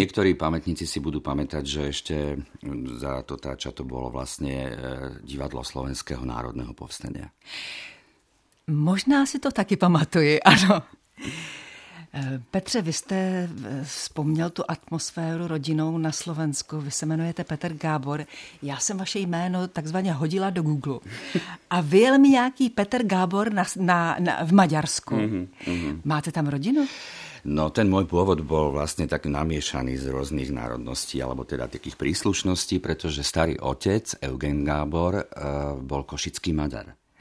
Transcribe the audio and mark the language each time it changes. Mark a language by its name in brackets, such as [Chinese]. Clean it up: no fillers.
[Slovak] Niektorí pamätníci si budú pamätať, že ešte za to táča to bolo vlastne divadlo Slovenského národného povstania. [Czech] Možná si to taky pamatuje, ano. Petře, vy jste vzpomněl tu atmosféru rodinou na Slovensku. Vy se jmenujete Peter Gábor. Já jsem vaše jméno takzvaně hodila do Google. A vyjel mi nějaký Peter Gábor v Maďarsku. Máte tam rodinu? [Slovak] No, ten môj pôvod bol vlastne tak namiešaný z rôznych národností, alebo teda takých príslušností, pretože starý otec, Eugen Gábor, bol košický Maďar.